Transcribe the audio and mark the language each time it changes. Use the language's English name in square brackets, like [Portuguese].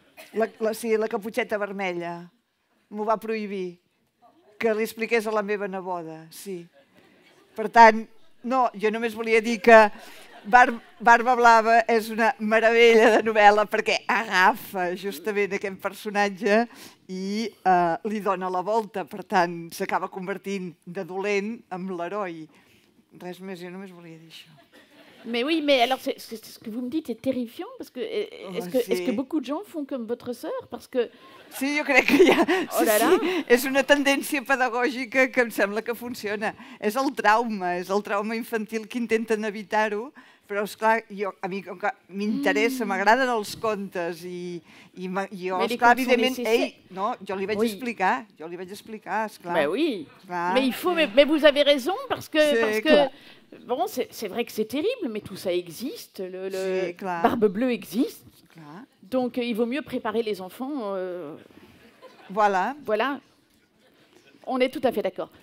[Catalan] La caputxeta vermella m'ho va prohibir, que li expliqués a la meva neboda, sí. Per tant, no, jo només volia dir Barba Blava és una meravella de novel·la perquè agafa justament aquest personatge i li dona la volta. Per tant, s'acaba convertint de dolent en l'heroi. Res més, jo només volia dir això. [French] Mais oui, mais alors c'est ce que vous me dites est terrifiant parce que est-ce que beaucoup de gens font comme votre sœur parce que [Catalan] sí, jo crec que hi ha. Sí, sí. És una tendència pedagògica que em sembla que funciona. És el trauma infantil que intenten evitar-ho, però és clar, jo a mi com que m'interessa, m'agraden els contes i jo és clar, evidentment, ei, no, jo li vaig explicar, és clar. [French] Mais oui. Mais il faut mais vous avez raison parce que clar. Bon, c'est vrai que c'est terrible, mais tout ça existe. Le Barbe Bleue existe. Donc, il vaut mieux préparer les enfants. Voilà. Voilà. On est tout à fait d'accord.